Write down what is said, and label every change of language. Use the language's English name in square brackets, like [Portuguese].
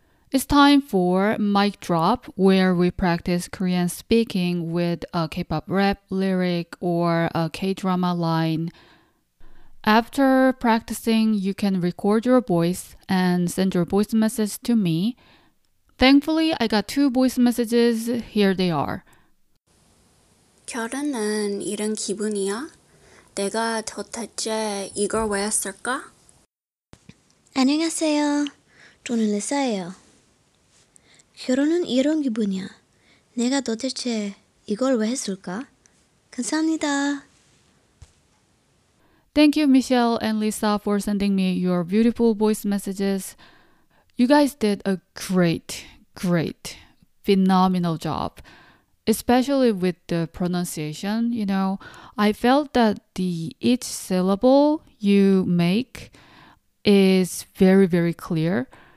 [English] It's time for Mic Drop, where we practice Korean speaking with a K-pop rap lyric or a K-drama line. After practicing, you can record your voice and send your voice message to me. Thankfully, I got 2 voice messages. Here they are. [Korean] 결혼은 이런 기분이야? 내가 도대체 이걸 왜 했을까? 안녕하세요. 저는 리사예요. 결혼은 이런 기분이야? 내가 도대체 이걸 왜 했을까? 감사합니다. [English] Thank you, Michelle and Lisa, for sending me your beautiful voice messages. You guys did a great, phenomenal job, especially with the pronunciation. You know, I felt that each syllable you make is very, very clear.